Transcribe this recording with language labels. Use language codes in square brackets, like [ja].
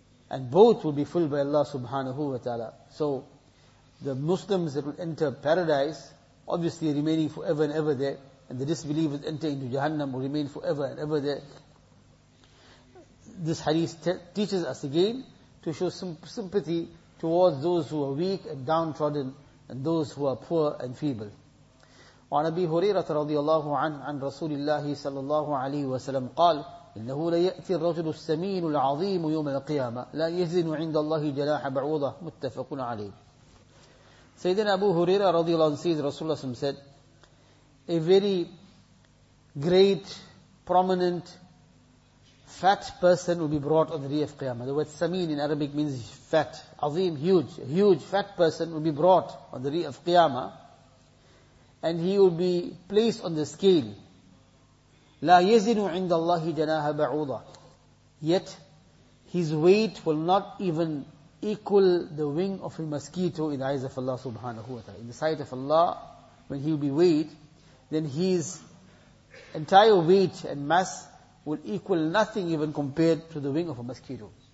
[en] And both will be filled by Allah subhanahu wa ta'ala. So, the Muslims that will enter paradise, obviously remaining forever and ever there, and the disbelievers enter into Jahannam will remain forever and ever there. This hadith teaches us again to show some sympathy towards those who are weak and downtrodden, and those who are poor and feeble. [ar] وعن أبي هريرة رضي الله عنه عن رسول الله صلى الله عليه وسلم قال: إنه ليأتي الرجل السمين العظيم يوم القيامة لا يزن عند الله جناح بعوضة. متفق عليه. [en] Sayyidina Abu Huraira radiallahu anhu says, Rasulullah said, a very great, prominent, fat person will be brought on the day of Qiyamah. The word Sameen in Arabic means fat, azim, huge. A huge, fat person will be brought on the day of Qiyamah, and he will be placed on the scale. [ar] لا يزنوا عند الله جناها بعوضة. [en] Yet, his weight will not even equal the wing of a mosquito in the eyes of Allah subhanahu wa ta'ala. In the sight of Allah, when he will be weighed, then his entire weight and mass will equal nothing even compared to the wing of a mosquito.